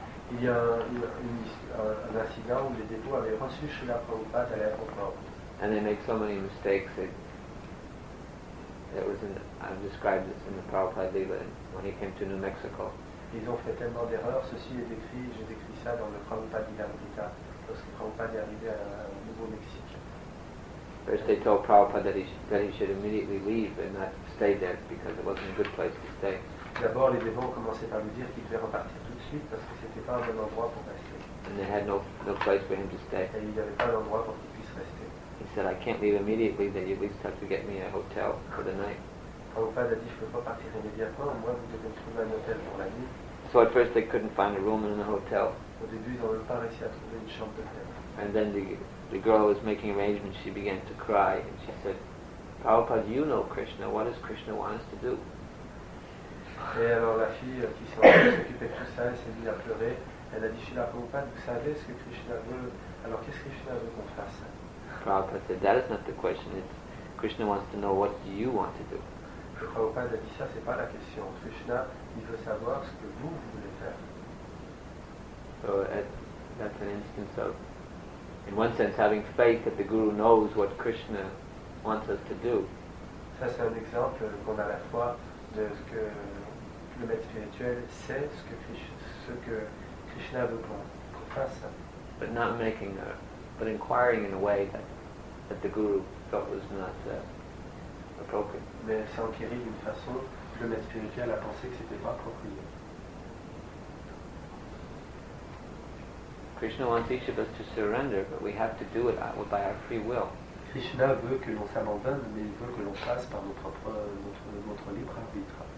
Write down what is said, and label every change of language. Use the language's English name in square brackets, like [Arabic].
[French] Il y a un incident où les dévots avaient reçu Srila Prabhupada à l'aéroport. [English] And they make so many mistakes. I've described this in the Prabhupada Lila when he came to New Mexico. [French] Ils ont fait tellement d'erreurs. Ceci est décrit. J'ai décrit ça dans le Prabhupada Lila lorsque Prabhupada est arrivé au Nouveau-Mexique. [English] First they told Prabhupada that he should immediately leave and not stay there because it wasn't a good place to stay. [French] D'abord, les dévots commençaient par lui dire qu'il devait repartir tout de suite parce que c'était pas un bon endroit pour rester. [English] And they had no place for him to stay. [French] Et il n'y avait pas d'endroit pour qu'il puisse rester. [English] He said, I can't leave immediately, then you at least have to get me a hotel for the night. [French] Prabhupada a dit, je peux pas partir immédiatement, au moins vous devez trouver un hôtel pour la nuit. [English] So at first they couldn't find a room in the hotel. [French] Au début, ils n'ont pas réussi à trouver une chambre d'hôtel. [English] And then the girl who was making arrangements, she began to cry, and she said, Prabhupada, you know Krishna, what does Krishna want us to do? [French] Et alors la fille qui s'occupait de tout ça, elle s'est mise à pleurer, elle a dit, Srila Prabhupada, vous savez ce que Krishna veut, alors qu'est-ce que Krishna veut qu'on fasse? [English] Prabhupada said, that is not the question, Krishna wants to know what do you want to do. [French] Prabhupada a dit, ça c'est pas la question, Krishna, il veut savoir ce que vous voulez faire. [English] So that's an instance of, in one sense, having faith that the guru knows what Krishna wants us to do. [French] Ça c'est un exemple qu'on a la foi de ce que le maître spirituel sait ce que Krishna veut qu'on fasse. [English] But not making a, but inquiring in a way that the guru felt was not appropriate. [French] Mais s'enquérir d'une façon que le maître spirituel a pensé que c'était pas approprié. [English] Krishna wants each of us to surrender, but we have to do it by our free will. [French] Krishna veut que l'on s'abandonne, mais il veut que l'on passe par notre libre arbitre.